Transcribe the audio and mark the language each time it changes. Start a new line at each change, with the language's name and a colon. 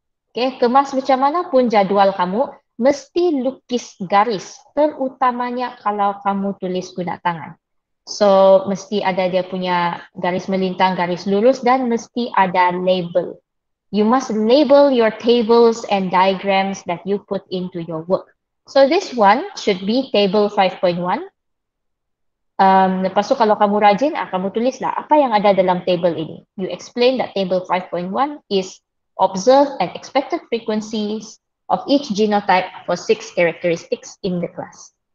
Malay: Okay, kemas macam mana pun jadual kamu, mesti lukis garis, terutamanya kalau kamu tulis guna tangan. So, mesti ada dia punya garis melintang, garis lurus dan mesti ada label.
English: You must label your tables and diagrams that you put into your work. So, this one should be table 5.1.
Malay: Lepas tu kalau kamu rajin, kamu tulislah apa yang ada dalam table ini.
English: You explain that table 5.1 is observed and expected frequencies of each genotype for 6 characteristics in the class.